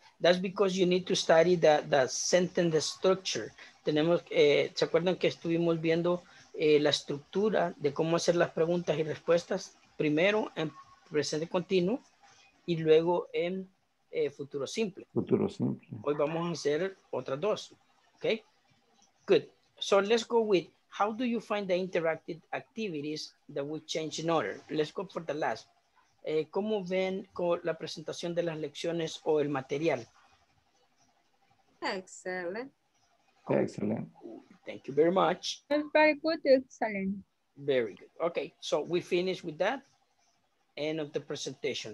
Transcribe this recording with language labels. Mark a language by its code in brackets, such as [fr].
[en] That's because you need to study the sentence structure. [es] Tenemos, ¿se acuerdan que estuvimos viendo la estructura de cómo hacer las preguntas y respuestas primero en presente continuo y luego en futuro simple? Futuro simple. Hoy vamos a hacer otras dos. [en] Okay, good. So let's go with, how do you find the interactive activities that we change in order? Let's go for the last. [es] ¿Cómo ven con la presentación de las lecciones o el material? [en] Excellent. Excellent. Thank you very much. Very good, excellent. Very good. Okay, so we finished with that. End of the presentation.